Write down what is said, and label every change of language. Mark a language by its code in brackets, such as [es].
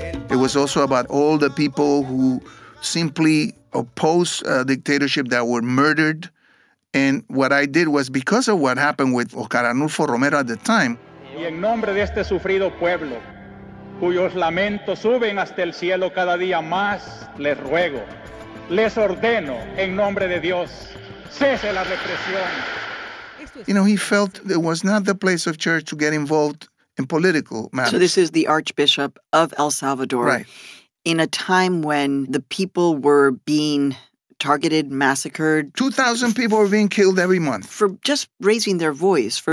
[en] It was also about all the people who simply opposed a dictatorship that were murdered. And what I did was, because of what happened with Oscar Arnulfo Romero at the time, [es] y en nombre de este sufrido pueblo, cuyos lamentos suben hasta el cielo cada día más, les ruego, les ordeno, en nombre de Dios, cese la represión. [en] You know, he felt it was not the place of church to get involved in political matters. So this is the Archbishop of El Salvador. Right. In a time when the people were being targeted, massacred. 2,000 people were being killed every month. For just raising their voice, for